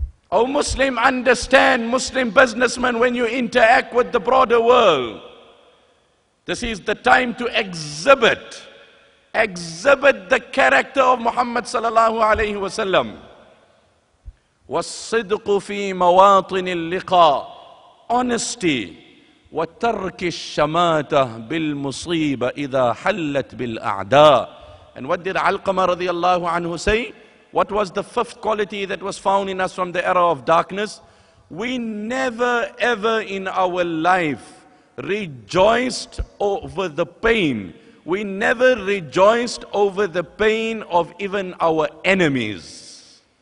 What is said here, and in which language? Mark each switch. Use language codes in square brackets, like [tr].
[en] Oh Muslim, understand, Muslim businessman, when you interact with the broader world, this is the time to exhibit the character of Muhammad sallallahu alayhi wa sallam. [ar] والصدق في مواطن اللقاء, [en] honesty. [ar] وترك الشماتة بالمصيبة إذا حلت بالأعداء. [en] And what did Alqama radiallahu anhu say? What was the fifth quality that was found in us from the era of darkness? We never ever in our life rejoiced over the pain. We never rejoiced over the pain of even our enemies.